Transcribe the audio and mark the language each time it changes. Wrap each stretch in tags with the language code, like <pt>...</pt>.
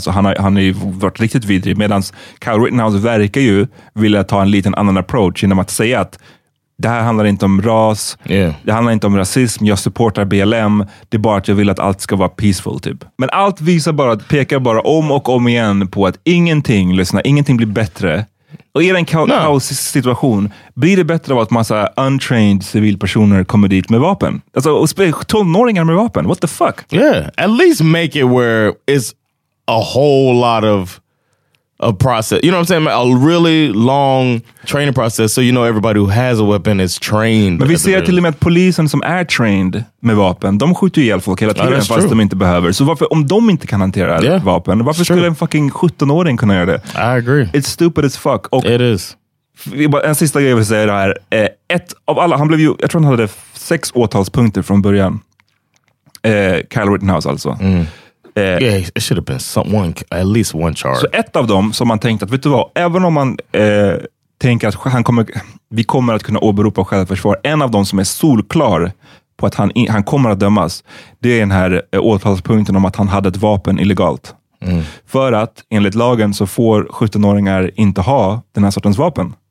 <sv>Alltså han har ju varit riktigt vidrig, medan Kyle Rittenhouse verkar ju vilja ta en liten annan approach genom att säga att det här handlar inte om ras, det handlar inte om rasism, jag supportar BLM, det är bara att jag vill att allt ska vara peaceful typ. Men allt visar bara, pekar bara om och om igen på att ingenting, lyssna, ingenting blir bättre. Och i den kaos-situation, blir det bättre av att massa untrained civilpersoner kommer dit med vapen? Alltså, och 12-åringar med vapen,</sv> <en>what the fuck? Yeah, at least make it where it's a whole lot of... a process, you know what I'm saying? A really long training process, so you know everybody who has a weapon is trained.</en> <sv>Men vi ser till och med att polisen som är trained med vapen, de skjuter ihjäl folk hela tiden fast de inte behöver. Så varför, om de inte kan hantera vapen, varför skulle en fucking 17-åring kunna göra det?</sv> <en>I agree. It's stupid as fuck.</en> <sv>Och</sv> <en>it is.</en> <sv>En sista grej jag vill säga det här. Ett av alla, han blev ju, jag tror han hade 6 åtalspunkter från början. Kyle Rittenhouse alltså. Mm.</sv> <en>Yeah, it should have been at least one charge.</en> <sv>Så ett av dem som man tänkte att, vet du vad, även om man tänker att vi kommer att kunna åberopa självförsvar, en av dem som är solklar på att han kommer att dömas, det är den här åtalspunkten om att han hade ett vapen illegalt. Mm. För att, enligt lagen, så får 17-åringar inte ha den här sortens vapen.</sv>